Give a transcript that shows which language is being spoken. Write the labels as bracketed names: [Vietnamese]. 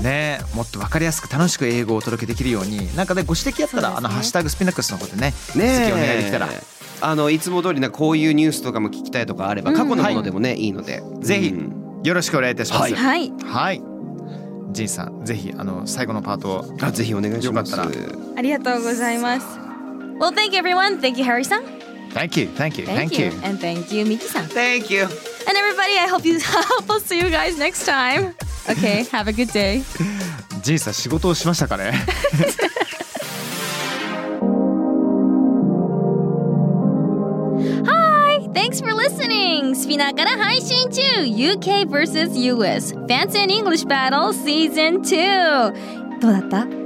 [Japanese] ね、もっと分かりやすく楽しく英語をお届けできるように、なんかで、ね、ご指摘あったら、ね、あのハッシュタグスピナックスの方で ね続きお願いできたら、あのいつも通りな、こういうニュースとかも聞きたいとかあれば、うん、過去のものでもね、はい、いいのでぜひよろしくお願いいたします。はいはい、はい、ジンさん、ぜひあの最後のパートをあぜひお願いします。よかったら。ありがとうございます。 [English] Well, thank you, everyone. Thank you, Harry さん。 Thank you, thank you, thank you. And thank you, Miki さん。 Thank you. And everybody, I hope you help us see you guys next time. Okay, have a good day. [Japanese] ジンさん、仕事をしましたかね。 [English] Thanks for listening! [Japanese] スピナーから配信中 UK vs. US Fancy and English Battle Season 2! どうだった？